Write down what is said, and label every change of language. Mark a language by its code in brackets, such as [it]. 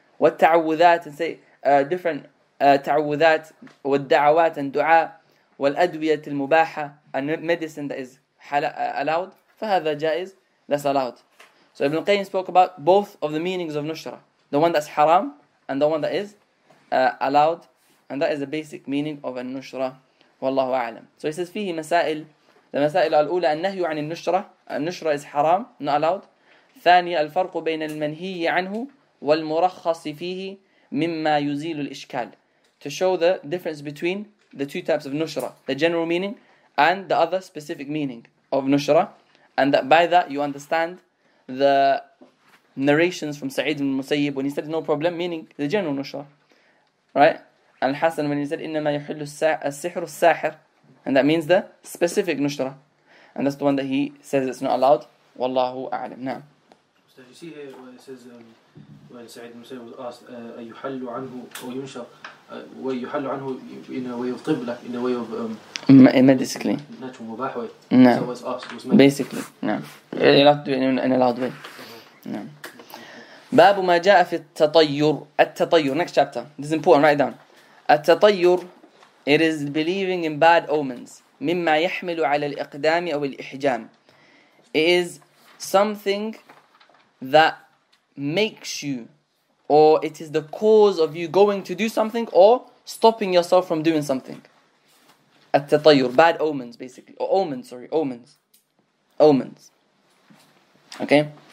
[en] والتعوذات, and say different تعوذات, والدعوات and dua, [ar] والأدوية المباحة, [en] and medicine that is allowed, [ar] فهذا جائز, [en] that's allowed. So Ibn Qayyim spoke about both of the meanings of nushra, the one that's haram and the one that is allowed, and that is the basic meaning of an nushra. Wallahu a'lam. So he says [ar] فيه مسائل. The مسائل الأولى النهي عن النشرة. [en] النشرة is haram, not allowed. [ar] ثانية الفرق بين المنهي عنه والمرخص فيه مما يزيل الإشكال. [en] To show the difference between the two types of nushra, the general meaning and the other specific meaning of nushra, and that by that you understand the narrations from Sa'id ibn Musayyib when he said no problem, meaning the general nushra, right? And Hassan when he said [ar] إنما يحل السحر الساحر, [en] and that means the specific nushra, and that's the one that he says it's not allowed. Wallahu a'lam. Now, did you see here where it says when Sa'id ibn Musayyib was asked [ar] أَيُحَلُّ عَنْهُ وَيُنْشَرُ وَيُحَلُّ عَنْهُ [en] in a way of qibla, in a way of medically natural mubah way, no. So it was asked, it was basically you have to do it in an allowed way. [ar] باب ما جاء في التطير. [en] التطير, next chapter, this is important, write it down. التطير, it is believing in bad omens. [ar] مما يحمل على الإقدام أو الإحجام. [en] It is something that makes you, or it is the cause of you going to do something or stopping yourself from doing something. التطير, bad omens basically. Or omens, sorry, omens. Omens. Okay?